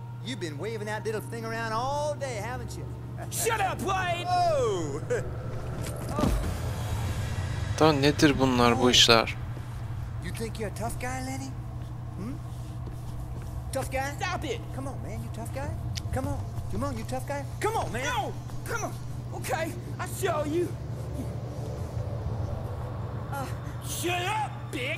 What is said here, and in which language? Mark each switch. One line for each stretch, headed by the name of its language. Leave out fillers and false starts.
English: You've been waving that little thing around all day, haven't you? Shut up, Wayne.
Turkish: Da nedir bunlar, bu işler?
English: You think you're a tough guy, Lenny? Tough guy? Stop it. Come on, man, you tough guy? Come on. Come on, you tough guy? Come on, man. No. Come on. Okay, I show you. Shut up, bitch.